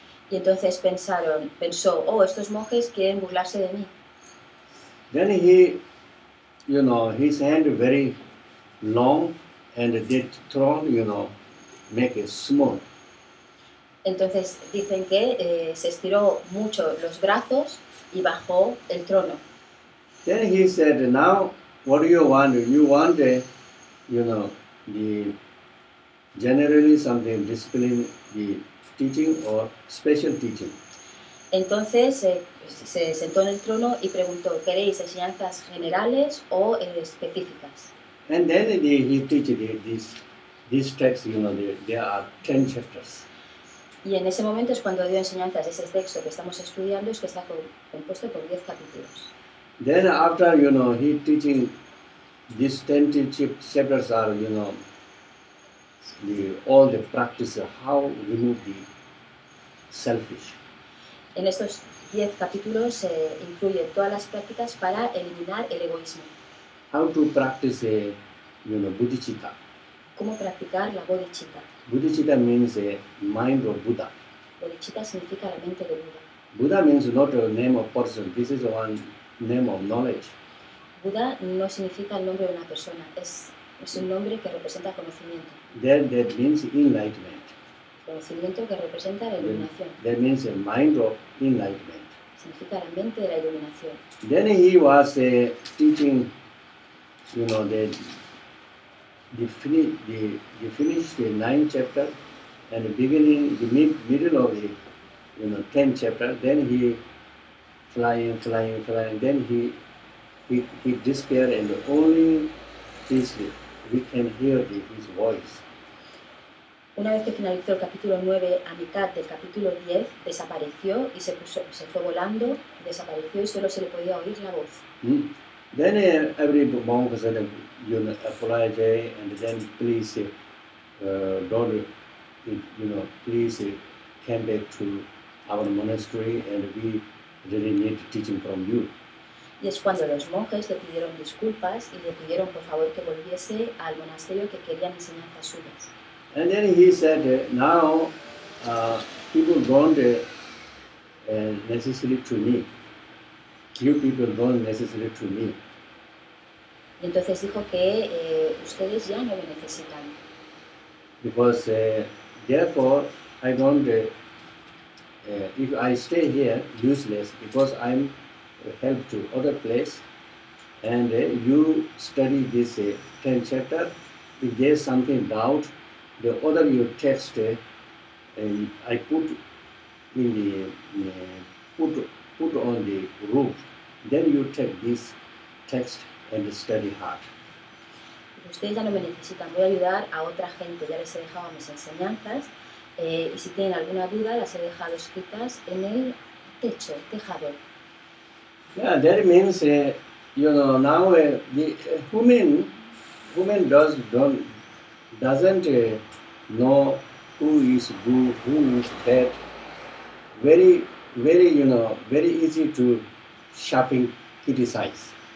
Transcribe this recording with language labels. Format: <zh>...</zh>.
<es>Y entonces pensó, estos monjes quieren burlarse de mí.</es> <en>Then he, you know, his hand very long and the throne, you know, make it small.</en> <es>Entonces dicen que se estiró mucho los brazos y bajó el trono.</es> <en>Then he said, now what do you want? You want the, you know, the generally something discipline, the teaching or special teaching?</en> <es>Entonces se sentó en el trono y preguntó, ¿queréis enseñanzas generales o específicas?</es> <en>And then he teach this text, you know, there are 10 chapters.</en> <es>Y en ese momento es cuando dio enseñanzas ese texto que estamos estudiando, es que está compuesto por 10 capítulos.</es> <en>Then after, you know, he teaching these 10 chapters are, you know, all the practices how remove the selfish.</en> <es>En estos 10 capítulos se incluye todas las prácticas para eliminar el egoísmo.</es> <en>How to practice you know, bodhicitta.</en> <es>¿Cómo practicar la bodhicitta?</es> <en>Bodhicitta means the mind of Buddha.</en> <es>Bodhicitta significa la mente de Buda.</es> <en>Buddha means not a name of person. This is one name of knowledge.</en> <es>Buddha no significa el nombre de una persona. Es un nombre que representa conocimiento.</es> <en>Then that means enlightenment.</en> <es>Conocimiento que representa la iluminación.</es> <en>That means the mind of enlightenment.</en> <es>Significa la mente de la iluminación.</es> <en>Then he was teaching, you know, that you finish the 9th chapter and the beginning, the middle of the, you know, 10th chapter, then he flying, then he disappeared, and only we can hear his voice.</en> <es>Una vez que finalizó el capítulo 9, a mitad del capítulo 10, desapareció y se fue volando, desapareció y solo se le podía oír la voz.</es> <en>Then every monk said, you know, apologize and then please don't, you know, please come back to our monastery and we really need teaching from you.</en> <es>Y es cuando los monjes le pidieron disculpas y le pidieron por favor que volviese al monasterio que querían enseñanzas suyas.</es> <en>And then he said, now people don't necessary to me. You people don't necessary to me.</en> <es>Y entonces dijo que ustedes ya no me necesitan.</es> <en>Because therefore I don't. If I stay here, useless, because I'm helped to other place, and you study this 10 chapter, if there's something doubt, the other your text, I put in the put on the roof, then you take this text and study hard.</en> <es>Ustedes ya no me necesitan. Voy a ayudar a otra gente. Ya les he dejado mis enseñanzas. Y si tienen alguna duda, las he dejado escritas en el techo, el tejado.</es> <en>Yeah, that means, you know, now women doesn't know who is good, who is bad. Very, very, you know, very easy to shopping criticize.</en>